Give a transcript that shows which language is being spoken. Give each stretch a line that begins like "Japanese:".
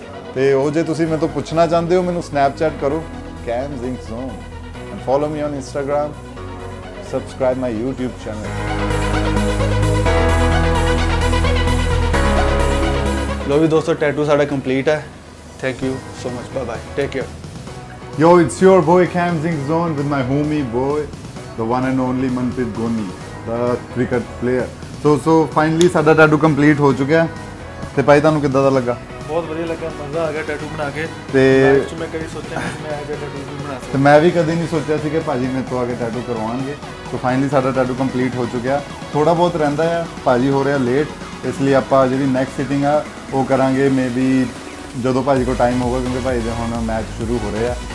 Punjabi: ਅਤੇ ਉਹ ਜੇ ਤੁਸੀਂ ਮੈਨੂੰ ਪੁੱਛਣਾ ਚਾਹੁੰਦੇ ਹੋ ਮੈਨੂੰ ਸਨੈਪਚੈਟ ਕਰੋ ਕੈਮ ਜ਼ਿੰਗ zone, and follow me on Instagram, subscribe my YouTube channel. ਲੋ ਵੀ ਦੋਸਤੋ, ਟੈਟੂ ਸਾਡਾ ਕੰਪਲੀਟ ਹੈ, thank you so much, bye bye, take care.
English: Yo, it's your boy Cam Zing Zone with my homie boy, the one and only Manpreet Goni, the cricket player. So finally, sada tattoo complete ho chuka hai.
Punjabi: ਤੇ ਭਾਈ ਤੁਹਾਨੂੰ ਕਿੱਦਾਂ ਦਾ ਲੱਗਾ? ਬਹੁਤ ਵਧੀਆ ਲੱਗਾ, ਮਜ਼ਾ ਆ ਗਿਆ ਟੈਟੂ ਬਣਾ ਕੇ। ਤੇ ਮੈਂ ਕਦੀ ਸੋਚਿਆ ਨਹੀਂ ਸੀ ਮੈਂ ਅਜੇ ਟੈਟੂ ਵੀ ਬਣਾ ਸਕਦਾ। ਤੇ ਮੈਂ ਵੀ ਕਦੀ ਨਹੀਂ ਸੋਚਿਆ ਸੀ ਕਿ ਭਾਜੀ ਮੇਰੇ ਤੋਂ ਆ ਕੇ ਟੈਟੂ ਕਰਵਾਉਣਗੇ। ਸੋ ਫਾਈਨਲੀ ਸਾਡਾ ਟੈਟੂ ਕੰਪਲੀਟ ਹੋ ਚੁੱਕਿਆ। ਥੋੜ੍ਹਾ ਬਹੁਤ ਰਹਿੰਦਾ ਆ, ਭਾਜੀ ਹੋ ਰਿਹਾ ਲੇਟ, ਇਸ ਲਈ ਆਪਾਂ ਜਿਹੜੀ ਨੈਕਸਟ ਸਿਟਿੰਗ ਆ ਉਹ ਕਰਾਂਗੇ ਮੇ ਬੀ ਜਦੋਂ ਭਾਜੀ ਕੋਲ ਟਾਈਮ ਹੋਊਗਾ, ਕਿਉਂਕਿ ਭਾਜੀ ਦੇ ਹੁਣ ਮੈਚ ਸ਼ੁਰੂ ਹੋ ਰਹੇ ਆ।